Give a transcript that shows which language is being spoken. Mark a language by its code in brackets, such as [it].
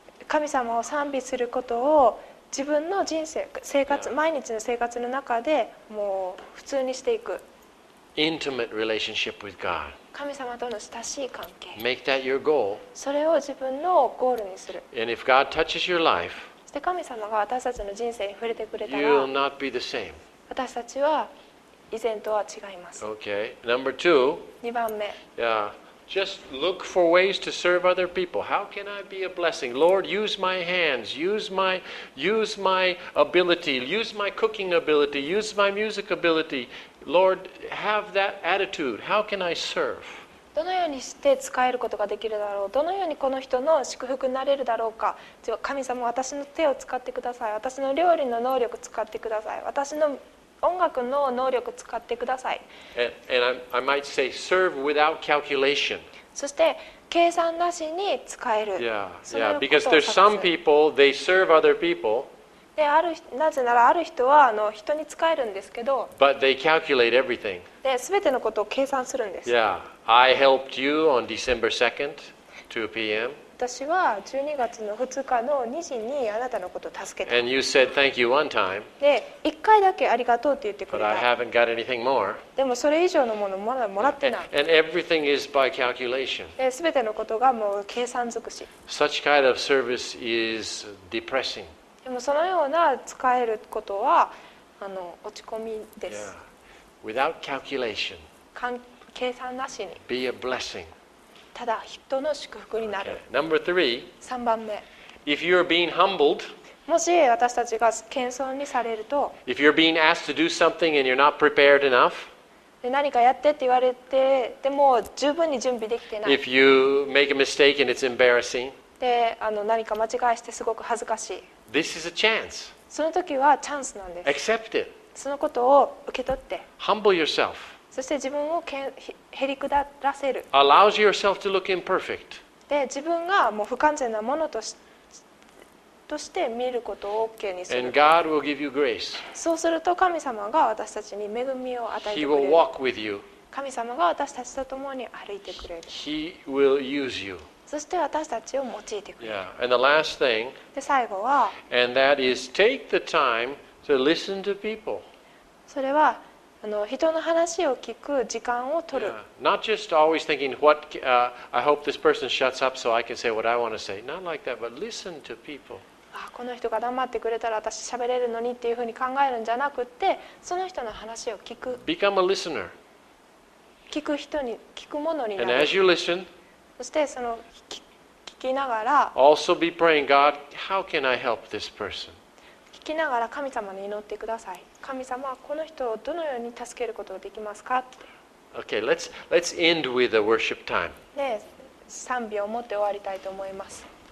[ja] 神様を賛美することを自分の人生、生活、毎日の生活の中でもう普通にしていく。 [en] Intimate relationship with God. [ja] 神様との親しい関係。 [en] Make that your goal. [ja] それを自分のゴールにする。 [en] And if God touches your life, [ja] そして神様が私たちの人生に触れてくれたら、 [en] you'll not be the same. [ja] 私たちは以前とは違います。 [en] Okay. Number two. [ja] 2番目。 [en] Yeah. Just look for ways to serve other people. How can I be a blessing? Lord, use my hands. Use my ability. Use my cooking ability. Use my music ability. Lord, have that attitude. How can I serve? [ja] どのようにして使えることができるだろう。どのようにこの人の祝福になれるだろうか。神様、私の手を使ってください。私の料理の能力を使ってください。私の音楽の能力を使ってください。 [en] And I might say serve without calculation. [ja] そして計算なしに使える。 [en] Yeah, yeah. Because there's some people they serve other people. [ja] である、なぜならある人は人に使えるんですけど、 [en] But they calculate everything. [ja] で、全てのことを計算するんです。 [en] Yeah. I helped you on December 2nd, 2 p.m. [ja] 私は12月の2日の2時にあなたのことを助けた。 [en] And you said thank you one time. [ja] で、1回だけありがとうって言ってくれた。 [en] But I haven't got anything more. [ja] でもそれ以上のものまだもらってない。 [en] And everything is by calculation. [ja] で、全てのことがもう計算尽くし。 [en] Such kind of service is depressing. [ja] でもそのような使えることは落ち込みです。 [en] Yeah. Without calculation. [ja] 計算なしに。 [en] Be a blessing. [ja] ただ人の祝福になる。 [en] Okay. Number three. [ja] 3番目。 [en] If you're being humbled. [ja] もし私たちが謙遜にされると。 [en] If you're being asked to do something and you're not prepared enough. [ja] で何かやってって言われてでも十分に準備できてない。 [en] If you make a mistake and it's embarrassing. [ja] で何か間違いしてすごく恥ずかしい。 [en] This is a chance. [ja] その時はチャンスなんです。 [en] Accept it. [ja] そのことを受け取って。 [en] Humble yourself. [ja] そして自分をへりくだらせる。 [en] Allows yourself to look imperfect. [ja] で自分がもう不完全なものとして見ることを OK にする。 [en] And God will give you grace. [ja] そうすると神様が私たちに恵みを与えてくれる。 [en] He will walk with you. [ja] 神様が私たちと共に歩いてくれる。 [en] He will use you. [ja] そして私たちを用いてくれる。 [en] Yeah. And the last thing, [ja] で最後は、 [en] and that is take the time to listen to people. [ja] それは人の話を聞く時間を取る。 [en] Yeah. Not just always thinking what I hope this person shuts up so I can say what I want to say. Not like that, but listen to people. [ja] あ、この人が黙ってくれたら私喋れるのにっていうふうに考えるんじゃなくって、その人の話を聞く。 [en] Become a listener. [ja] 聞く人に、聞くものになる。 [en] And as you listen, [ja] そしてその聞きながら、 [en] also be praying, God, how can I help this person? [ja] 聞きながら神様に祈ってください。神様はこの人をどのように助けることができますかって。 [en] Okay, let's end with a worship time. [ja] で、賛美を持って終わりたいと思います。